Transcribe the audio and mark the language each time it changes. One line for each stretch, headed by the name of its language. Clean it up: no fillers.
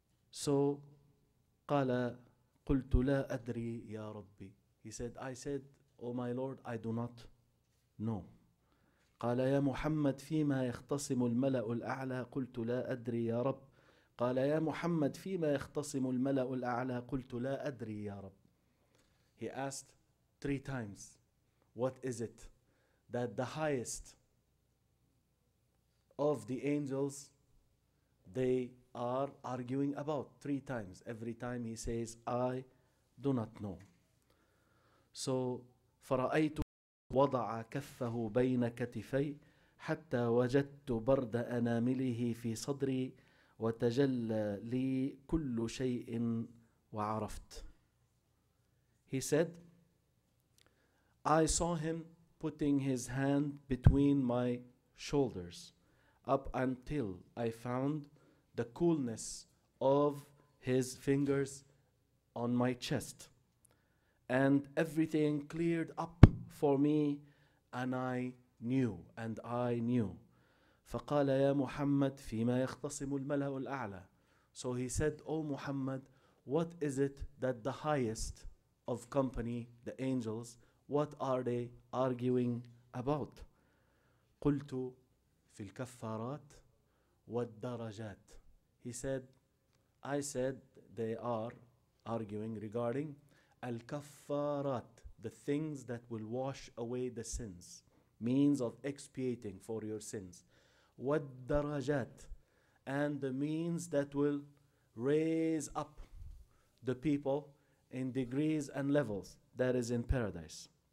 Arabic: So, قال قلت لا أدري يا ربي.
English: He said, "I said, O my Lord, I do not know."
Arabic: قال يا محمد فيما يختصم الملأ الأعلى قلت لا أدري يا رب. قال يا محمد فيما يختصم الملأ الأعلى قلت لا أدري يا رب.
English: He asked three times, "What is it that the highest of the angels they are arguing about?" Three times. Every time he says, "I do not know."
Arabic: So, فرأيت وضع كفه بين كتفي حتى وجدت برد أنامله في صدري وتجلى لي كل شيء وعرفت.
English: He said, "I saw him putting his hand between my shoulders up until I found the coolness of his fingers on my chest. And everything cleared up for me, and I knew, and I knew."
Arabic: فقال يا محمد فيما يختصم الملأ الأعلى.
English: So he said, "O Muhammad, what is it that the highest of company, the angels, what are they arguing about?"
Arabic: قلت في الكفارات والدرجات.
English: He said, "I said they are arguing regarding الكفارات, the things that will wash away the sins, means of expiating for your sins, والدرجات, and the means that will raise up the people in degrees and levels, that is in paradise."